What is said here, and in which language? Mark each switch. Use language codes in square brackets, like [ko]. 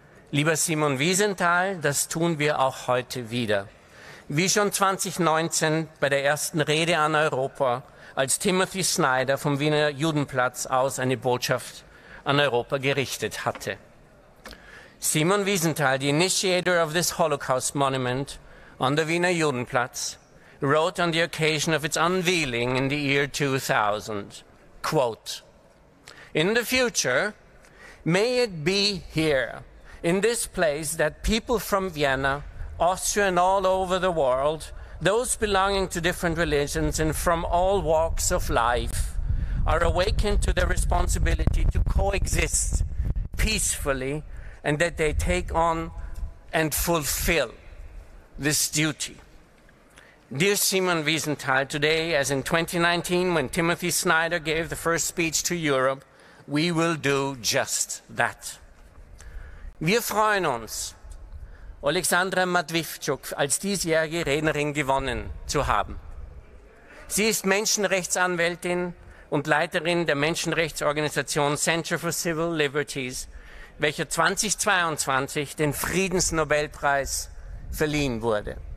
[de] Lieber Simon Wiesenthal, das tun wir auch heute wieder. Wie schon 2019 bei der ersten Rede an Europa, als Timothy Snyder vom Wiener Judenplatz aus eine Botschaft an Europa gerichtet hatte. [en] Simon Wiesenthal, the initiator of this Holocaust monument on the Wiener Judenplatz, wrote on the occasion of its unveiling in the year 2000, quote, in the future, may it be here, in this place, that people from Vienna, Austria and all over the world, those belonging to different religions and from all walks of life, are awakened to their responsibility to coexist peacefully and that they take on and fulfill this duty. Dear Simon Wiesenthal, today, as in 2019, when Timothy Snyder gave the first speech to Europe, we will do just that. [de] Wir freuen uns, Oleksandra Matviichuk als diesjährige Rednerin gewonnen zu haben. Sie ist Menschenrechtsanwältin und Leiterin der Menschenrechtsorganisation Center for Civil Liberties, welcher 2022 den Friedensnobelpreis verliehen wurde.